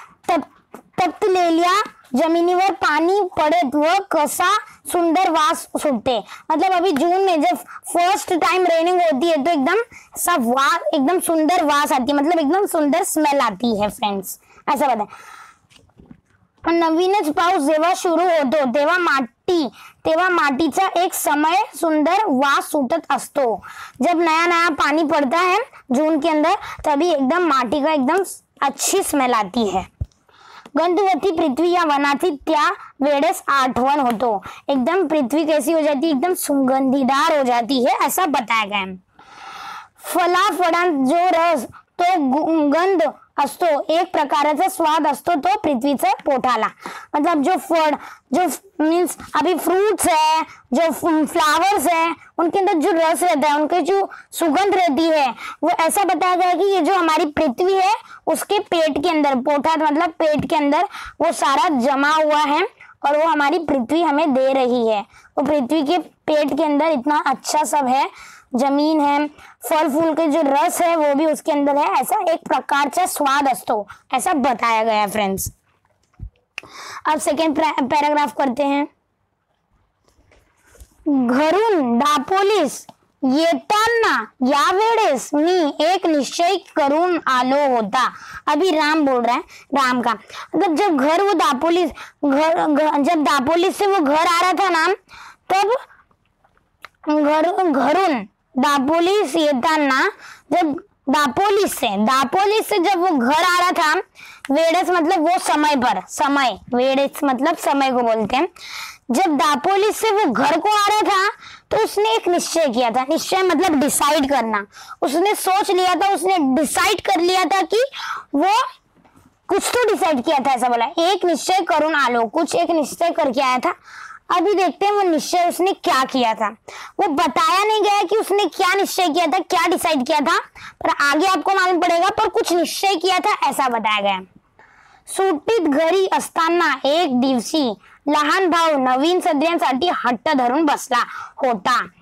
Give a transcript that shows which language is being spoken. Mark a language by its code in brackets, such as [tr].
[mr] तप्त ले लिया जमीनी वर पानी पड़े वो कसा सुंदर वास सुटते, [hi] मतलब अभी जून में जब फर्स्ट टाइम रेनिंग होती है तो एकदम सब वास एकदम सुंदर वास आती है, मतलब एकदम सुंदर स्मेल आती है फ्रेंड्स, ऐसा बताए। [mr] नवीनच पाऊस जेव्हा सुरू होतो तेव्हा माटीचा एक समय सुंदर वास सुटत असतो। [hi] जब नया नया पानी पड़ता है जून के अंदर तभी एकदम माटी का एकदम अच्छी स्मेल आती है। [mr] गंधवती पृथ्वी या वनाची त्या वेळेस आठवण होतो, [hi] एकदम पृथ्वी कैसी हो जाती, एकदम सुगंधीदार हो जाती है ऐसा बताया गया है। [mr] फला फळांत जो रस तो गंध असतो, एक प्रकारचा स्वाद असतो तो पृथ्वीचा पोटाला, [hi] मतलब जो फळ जो मीन्स अभी फ्रूट्स है जो फ्लावर्स है उनके अंदर जो रस रहता है उनके जो सुगंध रहती है वो ऐसा बताया गया है कि ये जो हमारी पृथ्वी है उसके पेट के अंदर पोटा मतलब पेट के अंदर वो सारा जमा हुआ है और वो हमारी पृथ्वी हमें दे रही है। वो पृथ्वी के पेट के अंदर इतना अच्छा सब है, जमीन है, फल फूल के जो रस है वो भी उसके अंदर है, ऐसा एक प्रकार से स्वाद अस्तो ऐसा बताया गया है फ्रेंड्स। अब सेकेंड पैराग्राफ करते हैं। [mr] घरून दापोलीस येताना या वेळेस मी एक निश्चय करून आलो होता। [hi] अभी राम बोल रहा है, राम का मतलब जब घर वो दापोलीस घर जब दापोलीस से वो घर आ रहा था ना तब [mr] घरून दापोलीस येताना [hi] जब दापोलीस से जब वो घर आ रहा था वेड़स मतलब वो समय पर समय वेड़स मतलब समय को बोलते हैं। जब दापोलीस से वो घर को आ रहा था तो उसने एक निश्चय किया था, निश्चय मतलब डिसाइड करना, उसने सोच लिया था, उसने डिसाइड कर लिया था कि वो कुछ तो डिसाइड किया था ऐसा बोला, [mr] एक निश्चय करूं आलो [hi] कुछ एक निश्चय करके आया था। अभी देखते हैं वो निश्चय उसने क्या किया था, वो बताया नहीं गया कि उसने क्या निश्चय किया था क्या डिसाइड किया था पर आगे आपको मालूम पड़ेगा, पर कुछ निश्चय किया था ऐसा बताया गया। [mr] सुट्टीत घरी असताना एक दिवसी लहान भाऊ नवीन सदर्यांसाठी हट्ट धरून बसला होता।